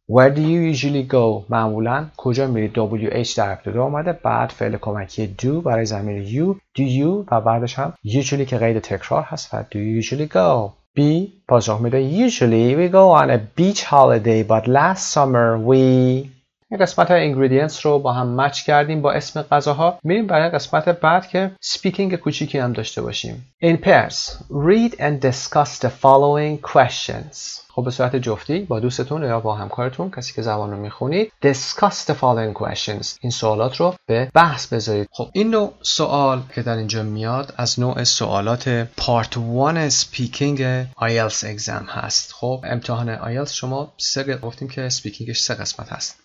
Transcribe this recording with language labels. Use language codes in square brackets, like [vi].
[en] Where do you usually go [fa] معمولا کجا میرید. WH در ابتدا اومده، بعد فعل کمکی do برای ضمیر you، do you و بعدش هم usually که قید تکرار هست و [en] do you usually go. B [fa] پاسخ میده [en] usually we go on a beach holiday but last summer we. [fa] این قسمت های اینگریدینس رو با هم مچ کردیم با اسم غذاها. میریم برای قسمت بعد که سپیکینگ کوچیکی هم داشته باشیم. [en] In pairs, read and discuss the following questions. [fa] خب به صورت جفتی با دوستتون یا با همکارتون، کسی که زبان رو میخونید، [en] discuss the following questions. [fa] این سوالات رو به بحث بذارید. خب این نوع سوال که در اینجا میاد از نوع سوالات part 1 speaking IELTS exam هست. خب امتحان IELTS شما سه قسمت گفتیم که speakingش سه قسمت هست.